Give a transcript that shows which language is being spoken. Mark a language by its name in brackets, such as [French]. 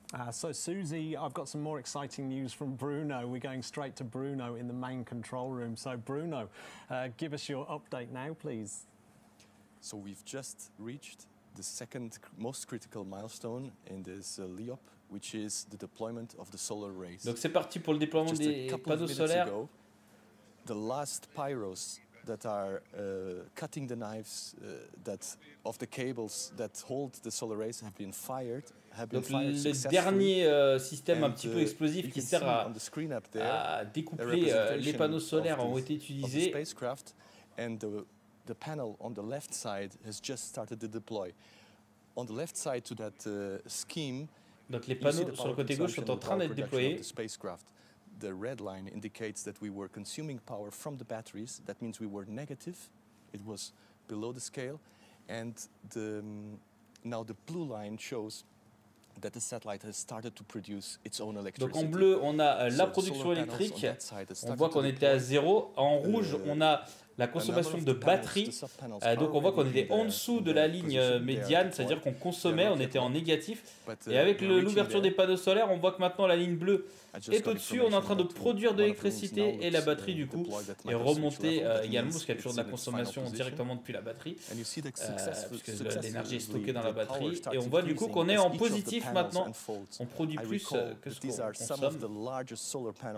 [English] So Susie, I've got some more exciting news from Bruno. We're going straight to Bruno in the main control room. So Bruno, give us your update now, please. So we've just reached the second most critical milestone in this LEOP, which is the deployment of the solar arrays. [French] Donc c'est parti pour le déploiement des panneaux solaires. [English] Ago, the last pyros that are cutting the knives that of the cables that hold the solar arrays have been fired. [French] Donc le dernier système un petit peu explosif qui sert à découpler les panneaux solaires ont été utilisés. [English] The panel on the left side has just started to deploy. On the left side to that scheme. [French] Donc les panneaux sur le côté gauche sont en train d'être déployés. [English] The red line indicates that we were consuming power from the batteries. That means we were negative. It was below the scale. And the now the blue line shows that the satellite has started to produce its own electricity. [French] Donc en bleu, on a la production électrique. On voit qu'on était à zéro. En rouge, on a la consommation de batterie. Donc on voit qu'on était en dessous de la ligne médiane, c'est-à-dire qu'on consommait, on était en négatif. Et avec l'ouverture des panneaux solaires, on voit que maintenant la ligne bleue est au-dessus, on est en train de produire de l'électricité et la batterie du coup est remontée également parce qu'il y a toujours de la consommation directement depuis la batterie puisque l'énergie est stockée dans la batterie et on voit du coup qu'on est en positif maintenant, on produit plus que ce qu'on consomme.